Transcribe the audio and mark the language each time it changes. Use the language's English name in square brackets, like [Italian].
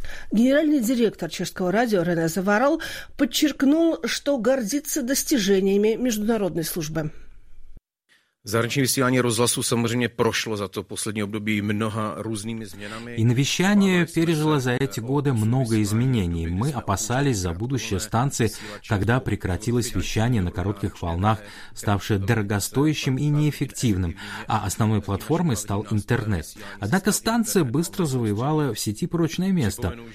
[Russian] Генеральный директор чешского радио Рене Заварал подчеркнул, что гордится достижениями международной службы. [Czech] Zahraniční vysílání rozhlasu samozřejmě prošlo za to poslední období mnoha různými změnami. [Russian] И навещание пережило за эти годы много изменений. Мы опасались за будущее станции, когда прекратилось вещание на коротких волнах, ставшее дорогостоящим и неэффективным, а основной платформой стал интернет. Однако станция быстро завоевала в сети прочное место.